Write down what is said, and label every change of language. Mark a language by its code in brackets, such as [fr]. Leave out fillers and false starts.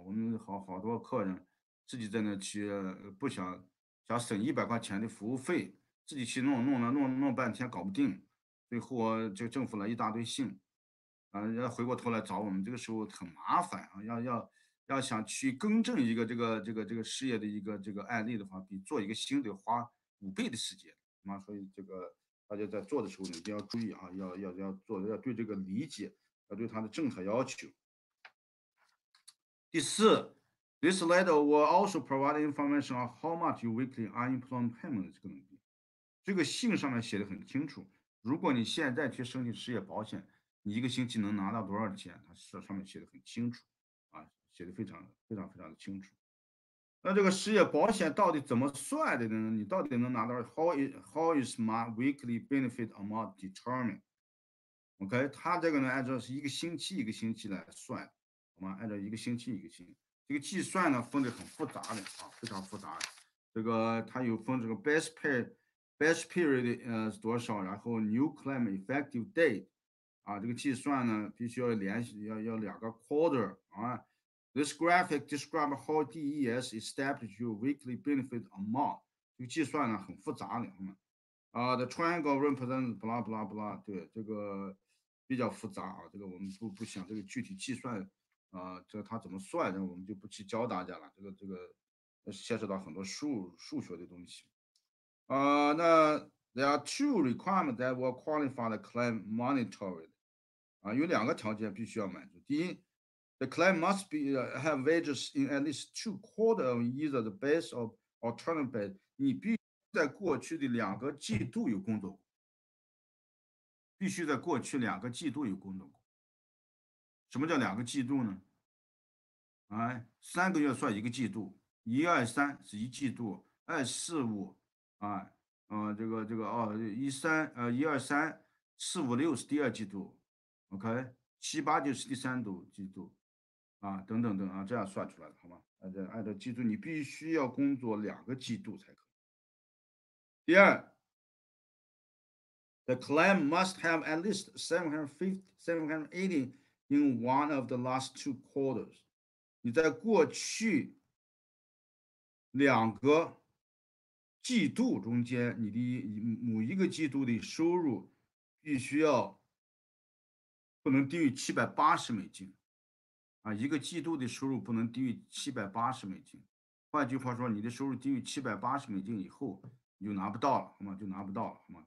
[zh] 我们好多客人自己在那去，不想省100块钱的服务费，自己去弄半天搞不定，最后这个政府来一大堆信，要回过头来找我们，这个时候很麻烦啊。要想去更正一个这个失业的一个这个案例的话，比做一个新的花5倍的时间，所以这个大家在做的时候你要注意啊，要做，要对这个理解，要对它的政策要求。第四， [en] this letter will also provide information on how much your weekly unemployment payment is going to be。 [zh] 这个信上面写的很清楚，如果你现在去申请失业保险，你一个星期能拿到多少钱，它上面写的很清楚啊，写的非常非常非常的清楚。那这个失业保险到底怎么算的呢？你到底能拿到 [en] how is my weekly benefit amount determined？ [zh] OK， 它这个呢按照是一个星期一个星期来算，好吗？按照一个星期一个星期，这个计算呢分得很复杂的啊，非常复杂的。这个它有分这个 best period 是多少，然后 new claim effective date 啊，这个计算呢必须要联系要两个 quarter 啊。 [en] This graphic describes how DES establishes your weekly benefit amount. [zh] 这个计算呢很复杂的，好吗？ [en] The triangle represents blah blah blah. [zh] 对，这个比较复杂啊，这个我们不想这个具体计算，这它怎么算的，我们就不去教大家了。这个牵涉到很多数学的东西。 [en] 那 there are two requirements that will qualify the claim monetary. [zh] 有两个条件必须要满足。第一， [en] The claim must be have wages in at least two quarters of either the base of alternative base. [zh] 你必须在过去的两个季度有工作，必须在过去两个季度有工作。什么叫两个季度呢？哎，三个月算一个季度，一二三是一季度，二四五，哎，这个哦，一三一二三四五六是第二季度 ，OK， 七八就是第三度季度。啊，等等等啊，这样算出来的，好吗？按照记住，你必须要工作两个季度才可以。第二 [en] ，the claim must have at least 750, 780 in one of the last two quarters。 [zh] 你在过去两个季度中间，你的某一个季度的收入必须要不能低于$780。一个季度的收入不能低于$780，换句话说，你的收入低于$780以后，你就拿不到了，好吗？就拿不到了，好吗？